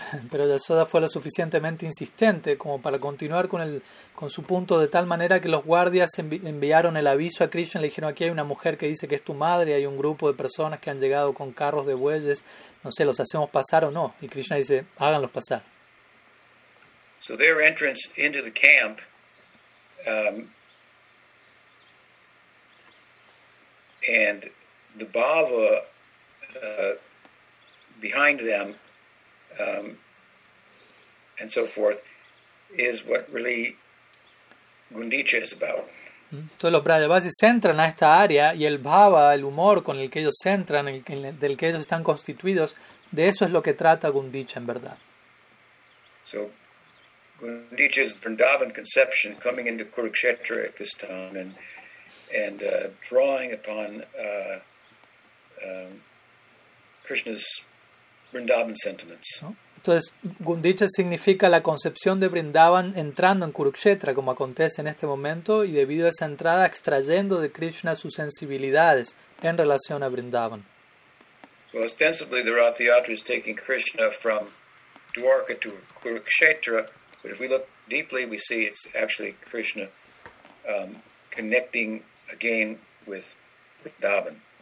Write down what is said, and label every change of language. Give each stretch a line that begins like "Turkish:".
Spanish: Pero Yashoda fue lo suficientemente insistente como para continuar con su punto de tal manera que los guardias enviaron el aviso a Krishna, le dijeron aquí hay una mujer que dice que es tu madre, hay un grupo de personas que han llegado con carros de bueyes, no sé, ¿los hacemos pasar o no? Y Krishna dice, háganlos pasar.
English: So their entrance into the camp and the bhava behind them and so forth is what really Gundicha is about.
Spanish: Entonces los brajavasis se entran a esta área y el bhava, el humor con el que ellos entran, del que ellos están constituidos, de eso es lo que trata Gundicha en verdad.
English: So Gundicha's Vrindavan conception coming into Kurukshetra at this time and drawing upon Krishna's Vrindavan sentiments.
Spanish: Entonces, Gundicha significa la concepción de Vrindavan entrando en Kurukshetra, como acontece en este momento, y debido a esa entrada, extrayendo de Krishna sus sensibilidades en relación a Vrindavan.
English: So ostensibly, the Ratha Yatra is taking Krishna from Dwarka to Kurukshetra, but if we look deeply, we see it's actually Krishna connecting again with Vrindavan.